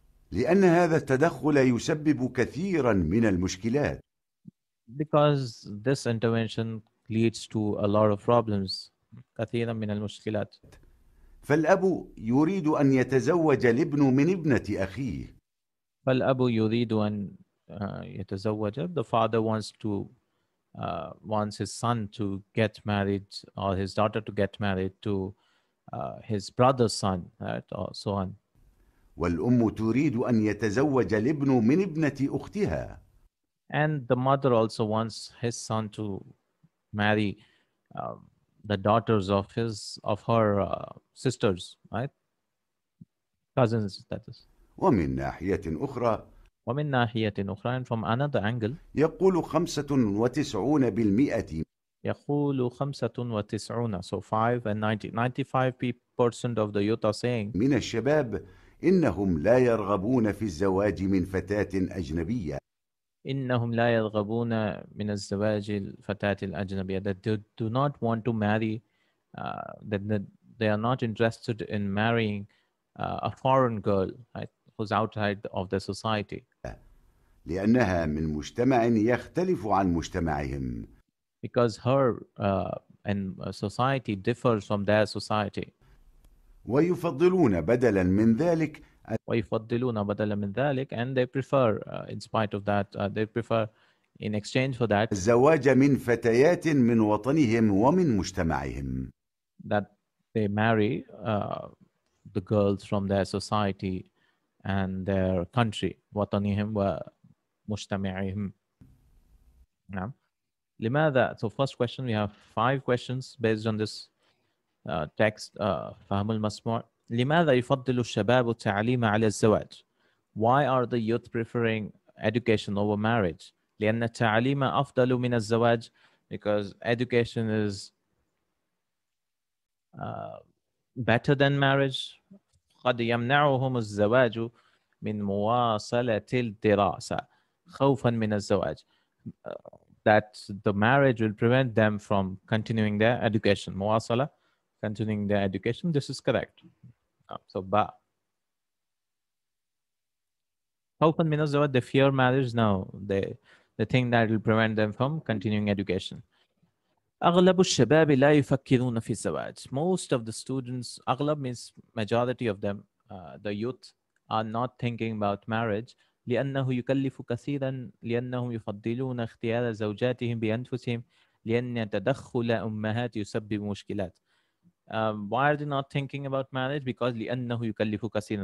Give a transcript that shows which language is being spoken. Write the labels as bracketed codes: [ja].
[ar] لأن هذا التدخل يسبب كثيرا من المشكلات. [en] Because this intervention leads to a lot of problems. [ar] كثيرا من المشكلات. فالأب يريد أن يتزوج الابن من ابنة أخيه. [en] فالأب يريد أن يتزوج. The father wants to wants his son to get married or his daughter to get married to his brother's son, right, or so on. [ar] والأم تريد أن يتزوج الابن من ابنة أختها. [en] And the mother also wants his son to marry the daughters of his of her sisters, right, cousins, that is. [ar] ومن ناحية أخرى. [en] ومن ناحية أخرى and from another angle [ar] يقول 95% [en] يقول 95 so 5 and 95% of the youth are saying [ar] من الشباب إنهم لا يرغبون في الزواج من فتاة أجنبية. [en] إنهم لا يرغبون من الزواج الفتاة الأجنبية that they do not want to marry that they are not interested in marrying a foreign girl, right, who's outside of the society. [ar] لأنها من مجتمع يختلف عن مجتمعهم. [en] Because her and society differs from their society. [ar] ويفضلون بدلا من ذلك. [en] ويفضلون بدلا من ذلك and they prefer in spite of that they prefer in exchange for that. [ar] الزواج من فتيات من وطنهم ومن مجتمعهم. [en] That they marry the girls from their society and their country. [ar] وطنهم و مجتمعهم. نعم. [en] لماذا؟ So first question, we have five questions based on this text. فهم المسموع. لماذا يفضل الشباب التعليم على الزواج؟ Why are the youth preferring education over marriage? [ar] لأن التعليم أفضل من الزواج. [en] Because education is better than marriage. [ar] قد يمنعهم الزواج من مواصلة الدراسة. [en] خوفاً من الزواج that the marriage will prevent them from continuing their education مواصلة concerning the education. This is correct. So ba. Khawfan min az-zawaj, the fear marriage. No, the thing that will prevent them from continuing education. [ar] أغلب الشباب لا يفكرون في الزواج. [en] Most of the students, أغلب means majority of them, the youth are not thinking about marriage. [ar] لأنه يكلف كثيرا لأنهم يفضلون اختيار زوجاتهم بأنفسهم لأن تدخل أمهات يسبب مشكلات. [en] Why are they not thinking about marriage? Because لأنه يكلف كثيرا.